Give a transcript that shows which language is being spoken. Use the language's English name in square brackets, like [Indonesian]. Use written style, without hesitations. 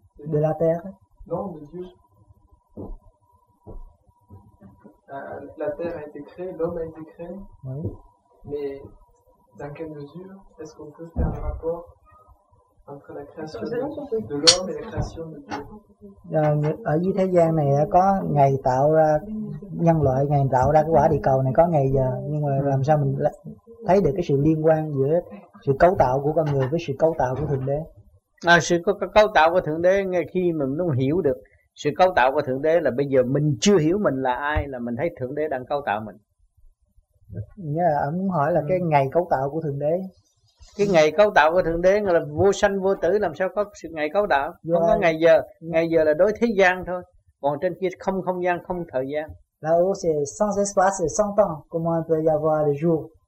[French] De la terre. Non, de Dieu. La terre a été créée, l'homme a été créé. Oui. Mais dans quelle mesure est-ce qu'on peut faire un rapport entre la création de l'homme et la création de Dieu? [Vietnamese] Dans, ở dưới thế gian này có ngày tạo ra nhân loại, ngày tạo ra quả địa cầu này có ngày giờ, nhưng mà làm sao mình thấy được cái sự liên quan giữa sự cấu tạo của con người với sự cấu tạo của Thượng Đế. À, sự cấu tạo của Thượng Đế, ngay khi mình không hiểu được sự cấu tạo của Thượng Đế là bây giờ mình chưa hiểu mình là ai, là mình thấy Thượng Đế đang cấu tạo mình. Nghĩa là ông hỏi là cái ngày cấu tạo của Thượng Đế. Cái ngày cấu tạo của Thượng Đế là vô sanh vô tử, làm sao có sự ngày cấu tạo? Vô không ai? Có ngày giờ, ngày giờ là đối thế gian thôi. Còn trên kia không không gian, không thời gian. [French] Là-haut c'est sans espace et sans temps. Comment on peut y avoir le jour?